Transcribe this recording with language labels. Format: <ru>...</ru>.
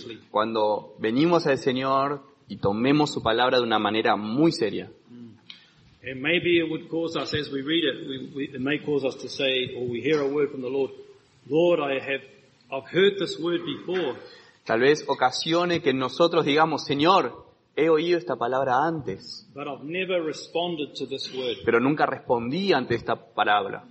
<es>Cuando venimos al Señor y tomemos su palabra de una manera muy seria.</es> <en>And maybe it would cause us, as we read it, it may cause us to say, or we hear a word from the Lord, Lord, I've heard this word before.</en> <es>Tal vez ocasione que nosotros digamos, Señor, he oído esta palabra antes.</es> <en>But I've never responded to this word.</en> <es>Pero nunca respondí ante esta palabra.</es>